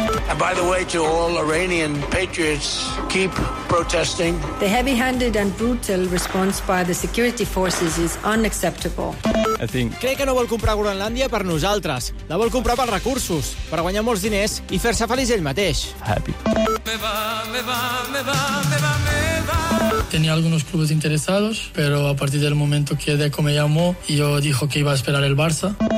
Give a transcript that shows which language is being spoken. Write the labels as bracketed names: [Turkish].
[English] And by the way, to all Iranian patriots, keep protesting. The heavy-handed and brutal response by the security forces is unacceptable. I think... [Catalan] Crec que no vol comprar Groenlàndia per nosaltres. La vol comprar pels recursos, per guanyar molts diners i fer-se feliç ell mateix. [English] Happy. [Spanish] Tenía algunos clubes interesados, pero a partir del momento que Deco me llamó, yo dijo que iba a esperar el Barça.